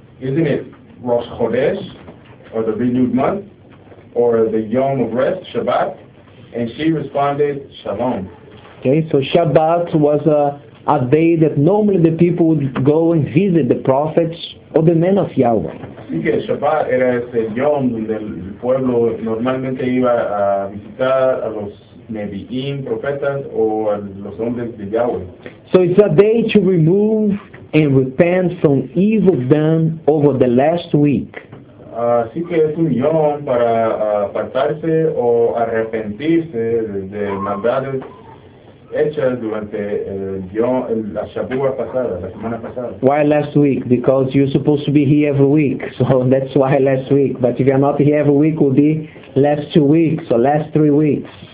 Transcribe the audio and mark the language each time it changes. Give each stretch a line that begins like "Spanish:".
English: Isn't it Rosh Chodesh, or the renewed month, or the Yom of Rest, Shabbat? And she responded, Shalom. Okay, so Shabbat was a day that normally the people would go and visit the prophets or the men of Yahweh.
Spanish: Así que Shabbat era ese yom donde el pueblo normalmente iba a visitar a los Nevi'im, profetas, o a los hombres de Yahweh.
English: So it's a day to remove and repent from evil done over the last week.
Spanish: Así que es un yom para apartarse o arrepentirse de maldades hechas durante la Shabbat pasada, la semana pasada.
English: Why last week? Because you're supposed to be here every week, so that's why last week. But if you're not here every week, it will be last 2 weeks, or last 3 weeks.